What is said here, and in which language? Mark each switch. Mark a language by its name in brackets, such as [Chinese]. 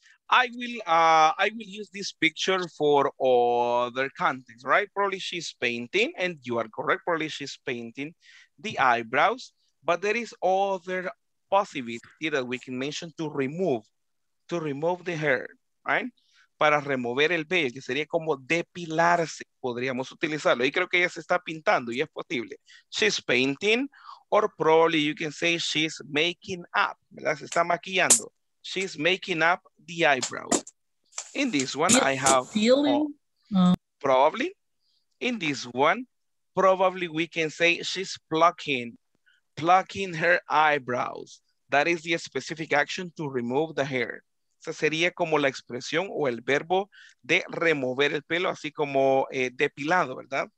[English] I will use this picture for other contexts, right? Probably she's painting, and you are correct. Probably she's painting the eyebrows, but there is other possibility that we can mention to remove the hair, right? [Spanish] Para remover el vello, que sería como depilarse, podríamos utilizarlo. Y creo que ella se está pintando y es posible. [English] She's painting. Or probably you can say she's making up, [Spanish] ¿verdad? Se está maquillando. [English] She's making up the eyebrows. In this one, I have feeling. Probably. In this one, probably we can say she's plucking her eyebrows. That is the specific action to remove the hair. [Spanish] Esa sería como la expresión o el verbo de remover el pelo, así como depilado, ¿verdad?